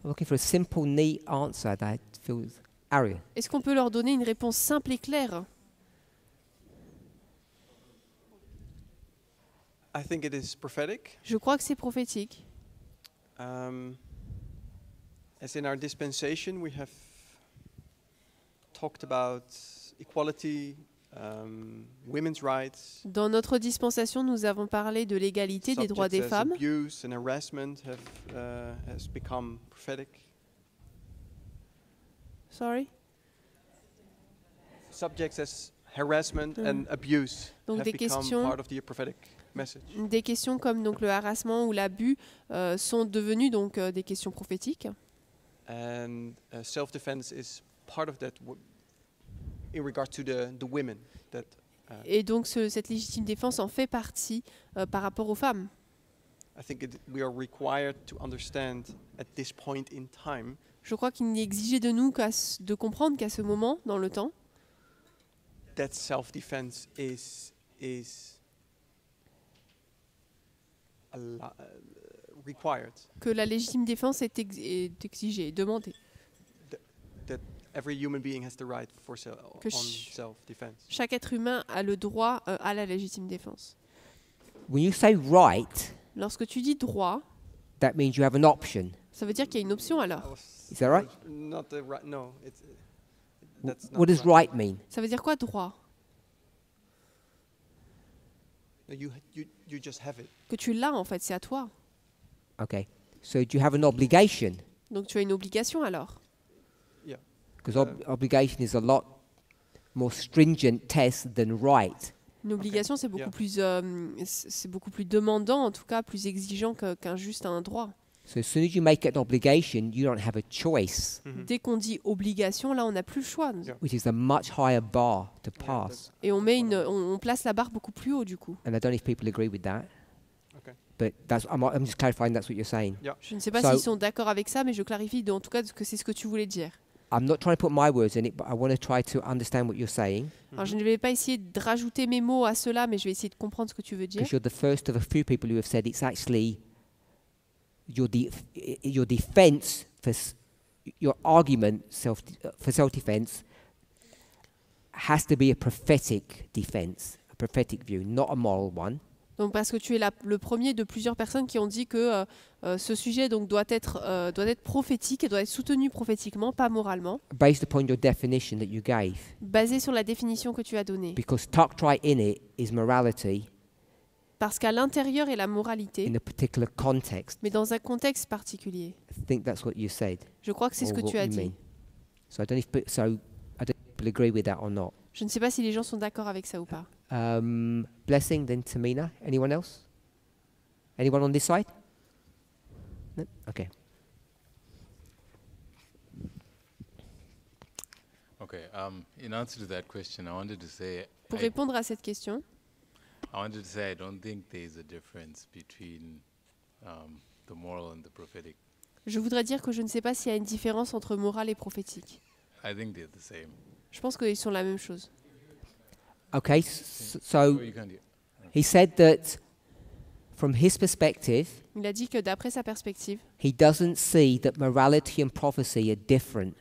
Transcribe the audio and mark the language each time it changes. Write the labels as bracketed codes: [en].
[en] I'm looking for a simple, neat answer that feels. Ariel. [fr] Est-ce qu'on peut leur donner une réponse simple et claire? [en] I think it is prophetic. [fr] Je crois que c'est prophétique. [en] As in our dispensation, we have. Talked about equality, women's rights. [fr] Dans notre dispensation, nous avons parlé de l'égalité des droits des femmes. [en] Abuse and harassment have has become prophetic. Sorry. Subjects as harassment and abuse [fr] donc [en] have become questions part of the prophetic message. [fr] Des questions comme donc le harcèlement ou l'abus sont devenues donc des questions prophétiques. [en] And self-defense is part of that. In regard to the women that, [fr] et donc cette légitime défense en fait partie par rapport aux femmes. [en] I think we are required to understand at this point in time. [fr] Je crois qu'il est exigé de nous de comprendre qu'à ce moment dans le temps. [en] That self-defense is required. [fr] Que la légitime défense est exigée, demandée. [en] Every human being has the right for self-defense. [fr] Chaque être humain a le droit à la légitime défense. [en] When you say right, [fr] lorsque tu dis droit, [en] that means you have an option. [fr] Ça veut dire qu'il y a une option alors. [en] Is that right? Not the right. No, it's that's not. What does right mean? [fr] Ça veut dire quoi droit? [en] You just have it. [fr] Que tu l'as en fait, c'est à toi. [en] Okay. So do you have an obligation? [fr] Donc tu as une obligation alors. [en] Because obligation is a lot more stringent test than right. [fr] Une obligation, c'est beaucoup plus c'est beaucoup plus demandant, en tout cas plus exigeant qu'un juste un droit. [en] So as soon as you make an obligation, you don't have a choice. Mm-hmm. [fr] Dès qu'on dit obligation, là, on n'a plus le choix. [en] Yeah. Which is a much higher bar to pass. [fr] Et on met on place la barre beaucoup plus haut du coup. [en] And I don't know if people agree with that. Okay. But that's I'm just clarifying that's what you're saying. Yeah. [fr] Je ne sais pas s'ils sont d'accord avec ça, mais je clarifie en tout cas que c'est ce que tu voulais dire. [en] I'm not trying to put my words in it, but I want to try to understand what you're saying. Mm-hmm. [fr] Alors, je ne vais pas essayer de rajouter mes mots à cela, mais je vais essayer de comprendre ce que tu veux dire. [en] Because you're the first of a few people who have said it's actually your defense for your argument self-defense has to be a prophetic defense, a prophetic view, not a moral one. [fr] Donc parce que tu es le premier de plusieurs personnes qui ont dit que ce sujet donc doit être prophétique et doit être soutenu prophétiquement, pas moralement. [en] Based upon your definition that you gave. [fr] Basé sur la définition que tu as donnée. [en] Because doctrine in it is morality. [fr] Parce qu'à l'intérieur est la moralité. [en] In a particular context. [fr] Mais dans un contexte particulier. [en] I think that's what you said. [fr] Je crois que c'est ce que tu as dit. [en] Mean. So I don't know if people agree with that or not. [fr] Je ne sais pas si les gens sont d'accord avec ça ou pas. [en] Blessing, then Tamina. Anyone else? Anyone on this side? No? Okay. Okay. In answer to that question, I wanted to say. [fr] Pour répondre à cette question. [en] I wanted to say I don't think there is a difference between the moral and the prophetic. [fr] Je voudrais dire que je ne sais pas s'il y a une différence entre morale et prophétique. [en] I think they're the same. [fr] Je pense qu'ils sont la même chose. [en] Okay, so he said that from his perspective, [fr] il a dit que d'après sa perspective, [en] he doesn't see that morality and prophecy are different.